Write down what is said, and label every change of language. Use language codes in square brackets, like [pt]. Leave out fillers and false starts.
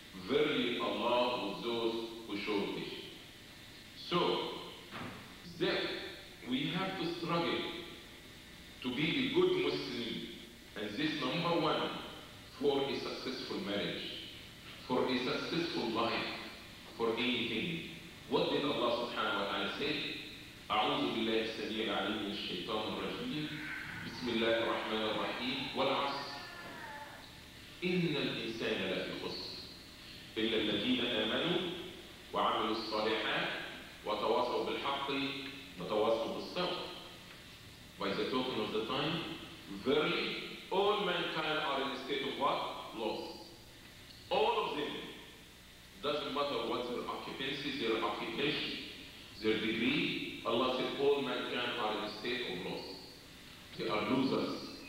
[en] Verily Allah with those who show patience. So, that we have to struggle to be a good Muslim. And this number one, for a successful marriage, for a successful life, for anything. What did Allah subhanahu wa ta'ala say? [ar] أعوذ بالله السميع العليم من الشيطان الرجيم بسم الله الرحمن الرحيم والعصر إن الإنسان لفي خسر إلا الذين آمنوا وعملوا الصالحات وتواصوا بالحق وتواصوا بالصبر. [en] By the token of the time, verily all mankind are in a state of what? Loss. All of them, doesn't matter what their occupancy, their occupation, their degree, Allah said all mankind are in a state of loss. They are losers.